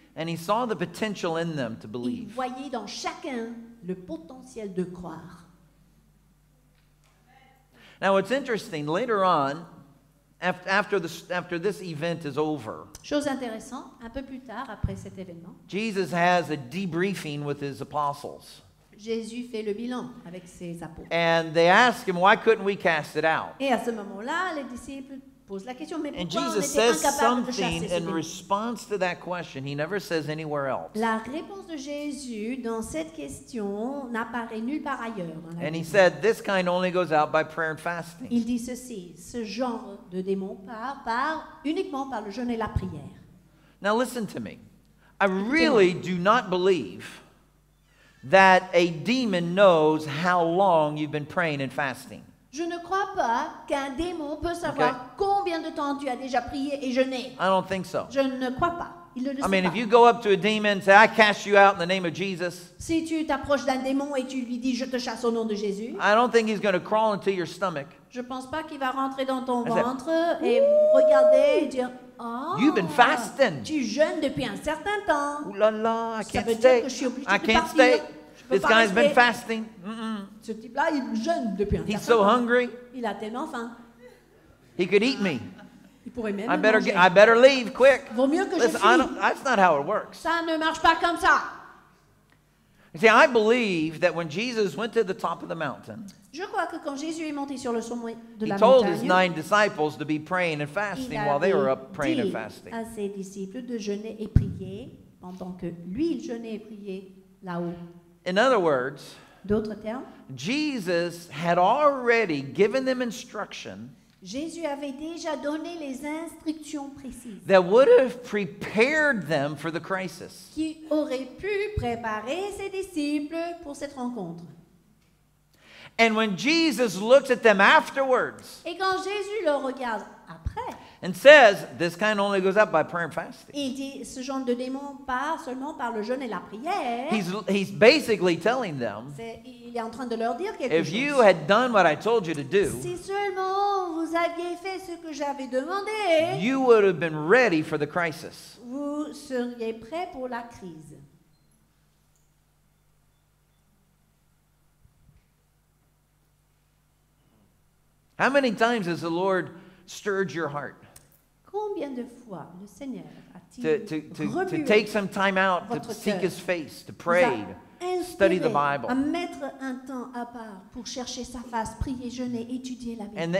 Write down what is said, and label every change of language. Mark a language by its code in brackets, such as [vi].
[en] And he saw the potential in them to believe. [fr] Il voyait dans chacun le potentiel de croire. [en] Now it's interesting. Later on, after this event is over, [fr] chose intéressante, un peu plus tard après cet événement, [en] Jesus has a debriefing with his apostles. [fr] Jésus fait le bilan avec ses apôtres. [en] And they ask him, why couldn't we cast it out? [fr] Et à ce moment-là, les disciples posent la question, mais pourquoi [en] And Jesus [fr] on était [en] says something in [fr] bilan? [en] Response to that question. He never says anywhere else. [fr] La réponse de Jésus dans cette question n'apparaît nulle part ailleurs. Dans la [en] and he said, this kind only goes out by prayer and fasting. [fr] Il dit ceci, ce genre de démon part uniquement par le jeûne et la prière. [en] Now listen to me. I really do not believe that a demon knows how long you've been praying and fasting. [fr] Je ne crois pas qu'un démon peut savoir okay. combien de temps tu as déjà prié et jeûné. [en] I don't think so. [fr] Je ne crois pas. Il ne le sait pas. [en] I mean, if you go up to a demon and say, I cast you out in the name of Jesus. [fr] Si tu t'approches d'un démon et tu lui dis, je te chasse au nom de Jésus. [en] I don't think he's going to crawl into your stomach. [fr] Je pense pas qu'il va rentrer dans ton ventre et regarder et dire, oh, [en] you've been fasting. [fr] Tu jeûnes depuis un certain temps. [en] Ooh là là, I [fr] Ça [en] can't [fr] veut [en] stay. [fr] Dire que je suis obligé [en] I [fr] de [en] can't [fr] partir. [en] Stay. This guy's been fasting. Mm-mm. [fr] Ce type-là, il jeûne depuis un [en] He's so [fr] temps. [en] Hungry. [fr] Il a tellement faim. [en] He could eat me. [fr] Il pourrait même [en] I better get, I better leave quick. [fr] Vaut mieux que [en] Listen, [fr] je fuis. [en] That's not how it works. [fr] Ça ne marche pas comme ça. [en] You see, I believe that when Jesus went to the top of the mountain, [fr] je crois que quand Jésus est monté sur le sommet de la montagne, il avait dit à ses disciples de jeûner et prier pendant que lui, il jeûnait et priait là-haut. [en] In other words, [fr] d'autres termes, [en] Jesus had already given them instruction [fr] Jésus avait déjà donné les instructions précises [en] that would have prepared them for the crisis. [fr] Qui aurait pu préparer ses disciples pour cette rencontre. [en] And when Jesus looks at them afterwards, [fr] et quand Jésus le regarde après, [en] and says, this kind only goes up by prayer and fasting. [fr] Il dit, ce genre de démon pas seulement par le jeûne et la prière. [en] He's basically telling them, [fr] il est en train de leur dire quelque [en] if [fr] chose. [en] You had done what I told you to do, [fr] si seulement vous aviez fait ce que j'avais demandé, [en] you would have been ready for the crisis. [fr] Vous seriez prêt pour la crise. [en] How many times has the Lord stirred your heart? [fr] Combien de fois le Seigneur a-t-il [en] to take some time out to seek his face, to pray, study the Bible. [fr] À mettre un temps à part pour chercher sa face, prier, jeûner, étudier la Bible.